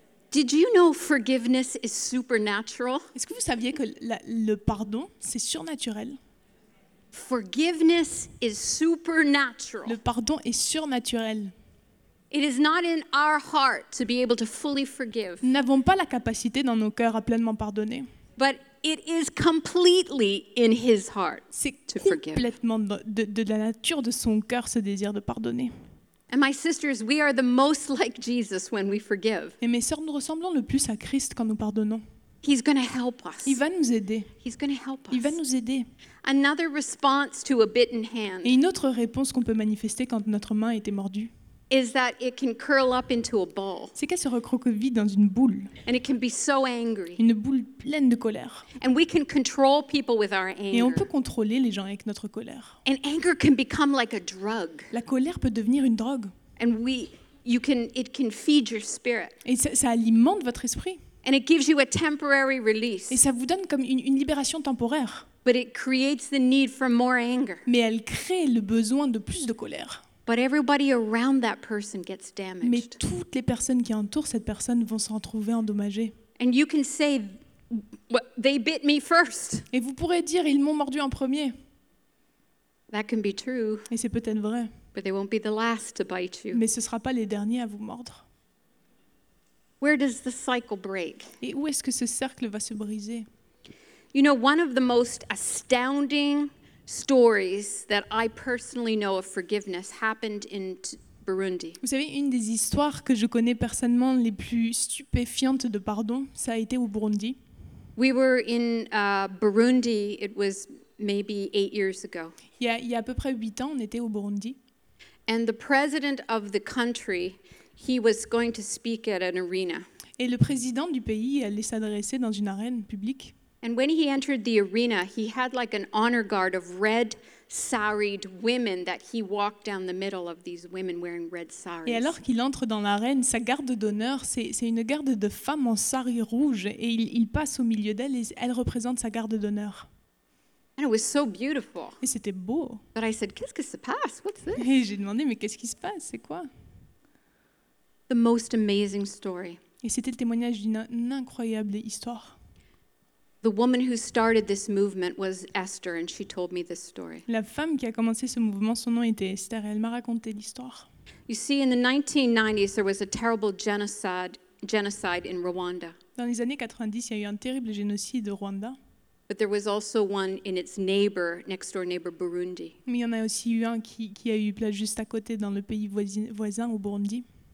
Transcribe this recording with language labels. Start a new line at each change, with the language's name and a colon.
English: Did you know forgiveness is supernatural?
French: Est-ce que vous saviez que le pardon, c'est surnaturel?
English: Forgiveness is supernatural.
French: Le pardon est surnaturel.
English: It is not in our heart to be able to fully forgive.
French: Nous n'avons pas la capacité dans nos cœurs à pleinement pardonner.
English: But it is completely in his heart to forgive.
French: C'est complètement de la nature de son cœur ce désir de pardonner.
English: And my sisters, we are the most like Jesus when we forgive.
French: Et mes sœurs, nous ressemblons le plus à Christ quand nous pardonnons.
English: He's going to help us.
French: Il va nous aider.
English: He's going to help us.
French: Il va nous aider.
English: Another response to a bitten hand.
French: Et une autre réponse qu'on peut manifester quand notre main a été mordue.
English: Is that it can curl up into a ball.
French: C'est qu'elle se recroqueville dans une boule.
English: And it can be so angry.
French: Une boule pleine de colère.
English: And we can control people with our anger.
French: Et on peut contrôler les gens avec notre colère.
English: And anger can become like a drug.
French: La colère peut devenir une drogue.
English: And it can feed your spirit.
French: Et ça alimente votre esprit.
English: And it gives you a temporary release.
French: Et ça vous donne comme une libération temporaire.
English: But it creates the need for more anger.
French: Mais elle crée le besoin de plus de colère.
English: But everybody around that person gets damaged.
French: Mais toutes les personnes qui entourent cette personne vont s'en trouver endommagées.
English: And you can say, well, they bit me first.
French: Et vous pourrez dire, ils m'ont mordu en premier.
English: That can be true.
French: Et c'est peut-être vrai.
English: But they won't be the last to bite you.
French: Mais ce ne sera pas les derniers à vous mordre.
English: Where does the cycle break?
French: Et où est-ce que ce cercle va se briser?
English: You know, one of the most astounding stories that I personally know of forgiveness happened in Burundi.
French: Vous savez, une des histoires que je connais personnellement les plus stupéfiantes de pardon, ça a été au Burundi.
English: We were in Burundi. It was maybe 8 years ago.
French: Il y a à peu près 8 ans, on était au Burundi.
English: And the president of the country, he was going to speak at an arena.
French: Et le président du pays allait s'adresser dans une arène publique.
English: And when he entered the arena, he had like an honor guard of red saried women that he walked down the middle of these women wearing red saris.
French: Et alors qu'il entre dans l'arène, sa garde d'honneur, c'est une garde de femmes en sari rouge, et il passe au milieu d'elles, et elles représentent sa garde d'honneur.
English: And it was so beautiful.
French: Et c'était beau.
English: But I said,
French: qu'est-ce qui se passe?
English: What's this?
French: Et j'ai demandé, mais qu'est-ce qui se passe? C'est quoi?
English: The most amazing story.
French: Et c'était le témoignage d'une incroyable histoire.
English: The woman who started this movement was Esther, and she told me this story.
French: La femme qui a commencé ce mouvement, son nom était Esther, et elle m'a raconté l'histoire.
English: You see, in the 1990s, there was a terrible genocide in Rwanda.
French: Dans les années 90, il y a eu un terrible génocide au Rwanda.
English: But there was also one in its neighbor, next door neighbor, Burundi.
French: Mais il y en a aussi eu un qui a eu place juste à côté dans le pays voisin, au Burundi.